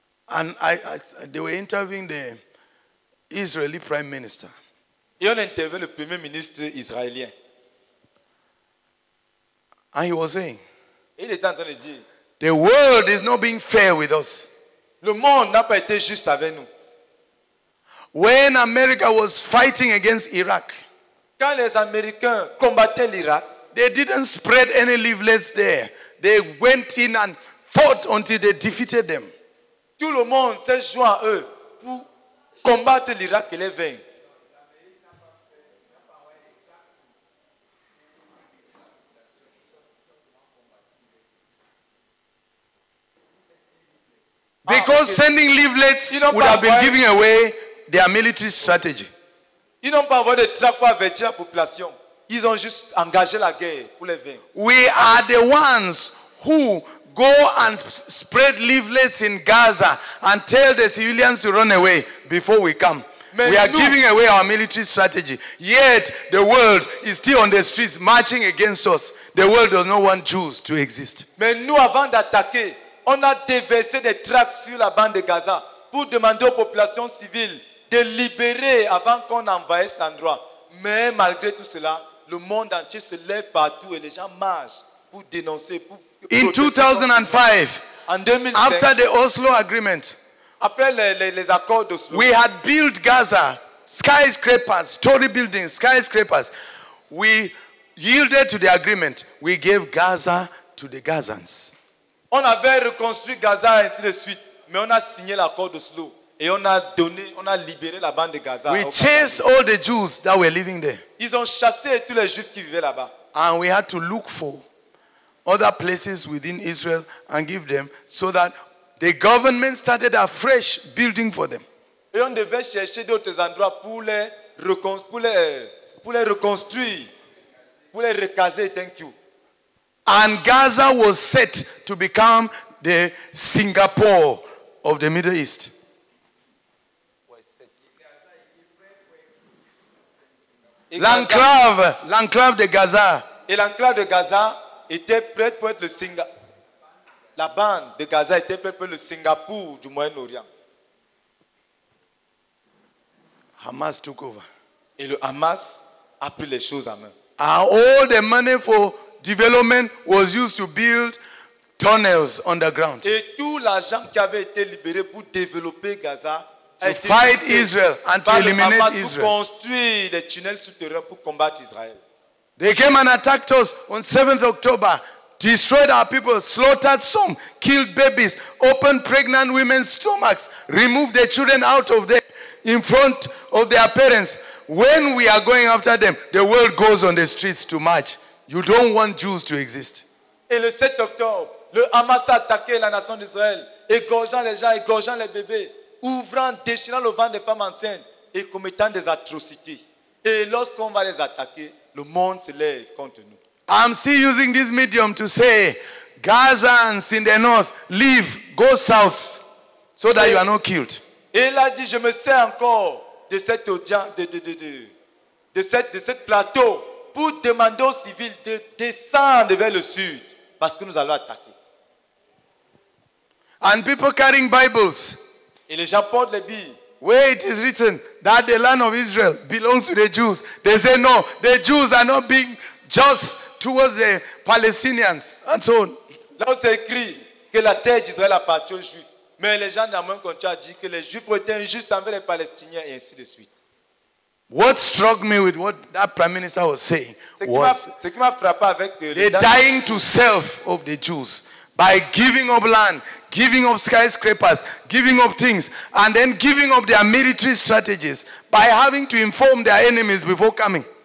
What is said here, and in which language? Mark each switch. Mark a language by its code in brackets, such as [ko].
[en] And they were interviewing the Israeli Prime Minister. [fr] Et on interviewait le Premier ministre israélien. [en] And he was saying, [fr] il était en train de dire, [en] the world is not being fair with us. [fr] Le monde n'a pas été juste avec nous. [en] When America was fighting against Iraq, [fr] quand les Américains combattaient l'Irak, [en] they didn't spread any leaflets there. They went in and fought until they defeated them. [fr] Tout le monde s'est joint à eux pour combattre l'Irak et les vaincre. [en] Because sending leaflets would have been giving away their military strategy. [fr] Ils n'ont pas envoyé de trappes avec la population. Ils ont juste engagé la guerre pour les vaincre. [en] We are the ones who go and spread leaflets in Gaza and tell the civilians to run away before we come. [fr] Mais [en] we are [fr] nous, [en] giving away our military strategy. Yet the world is still on the streets marching against us. The world does not want Jews to exist. [fr] Mais nous, avant d'attaquer, on a déversé des tracts sur la bande de Gaza pour demander aux populations civiles de libérer avant qu'on envahisse l'endroit. Mais malgré tout cela, le monde entier se lève partout et les gens marchent pour dénoncer. Pour [en] In 2005, after the Oslo Agreement, [fr] après les accords d'Oslo, [en] we had built Gaza skyscrapers, story buildings, skyscrapers. We yielded to the agreement. We gave Gaza to the Gazans. [fr] On avait reconstruit Gaza ainsi de suite, mais on a signé l'accord d'Oslo et on a donné, on a libéré la bande de Gaza. [en] We chased all the Jews that were living there. [fr] Ils ont chassé tous les Juifs qui vivaient là-bas. [en] And we had to look for other places within Israel and give them so that the government started a fresh building for them. [fr] Et on devait chercher d'autres endroits pour les reconstruire, pour les recaser. [en] Thank you. And Gaza was set to become the Singapore of the Middle East. [fr] L'enclave de Gaza. Et l'enclave de Gaza était prête pour être le la bande de Gaza était prête pour être le Singapour du Moyen-Orient. [en] Hamas took over. [fr] Et le Hamas a pris les choses en main. [en] And all the money for development was used to build tunnels underground. [fr] Et tout l'argent qui avait été libéré pour développer Gaza [en] to fight Israel and to eliminate Hamas Israel. [fr] Pour construire des tunnels souterrains pour combattre Israël. [en] They came and attacked us on 7th October, destroyed our people, slaughtered some, killed babies, opened pregnant women's stomachs, removed their children out of there in front of their parents. When we are going after them, the world goes on the streets to march. You don't want Jews to exist. [fr] Et le 7 octobre, le Hamas a attaqué la nation d'Israël, égorgeant les gens, égorgeant les bébés, ouvrant, déchirant le ventre des femmes enceintes et commettant des atrocités. Et lorsqu'on va les attaquer, le monde se lève contre nous. [en] I'm still using this medium to say, Gazans in the north, leave, go south, so that you are not killed. [fr] Et il a dit, je me sers encore de cette audience, de cette plateau, pour demander aux civils de descendre vers le sud, parce que nous allons attaquer. [en] And people carrying Bibles. [fr] Et les gens portent les Bibles. [en] Where it is written that the land of Israel belongs to the Jews. They say, no, the Jews are not being just towards the Palestinians. And so on. [fr] Là où c'est écrit que la terre d'Israël appartient aux Juifs. Mais les gens dans mon contrat dit que les Juifs ont été injustes envers les Palestiniens et ainsi de suite. [en] What struck me with what that prime minister was saying was the dying to self of the Jews by giving up land, giving up skyscrapers, giving up things, and then giving up their military strategies by having to inform their enemies before coming.